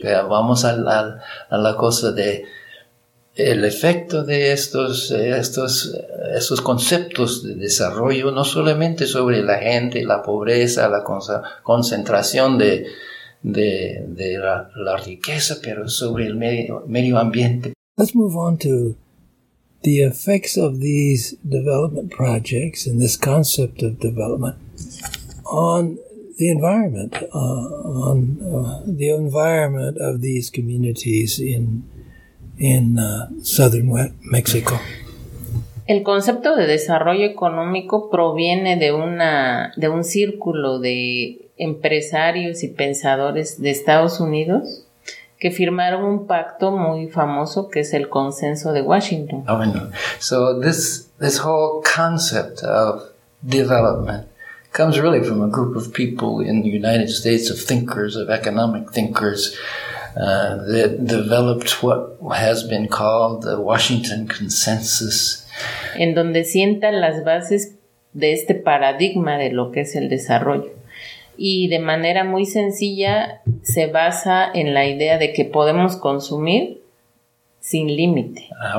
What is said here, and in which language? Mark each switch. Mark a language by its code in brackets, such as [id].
[es] Vamos a la cosa de el efecto de estos conceptos de desarrollo, no solamente sobre la gente, la pobreza, la concentración de la riqueza, pero sobre el medio ambiente. [en] Let's move on to the effects of these development projects and this concept of development on the environment, the environment of these communities in southern Mexico. [es] El concepto de desarrollo económico proviene de un círculo de empresarios y pensadores de Estados Unidos que firmaron un pacto muy famoso que es el Consenso de Washington. [en] Oh, no. So this whole concept of development comes really from a group of people in the United States of thinkers, of economic thinkers, that developed what has been called the Washington Consensus. [es] En donde sientan las bases de este paradigma de lo que es el desarrollo. Y de manera muy sencilla se basa en la idea de que podemos consumir sin límite.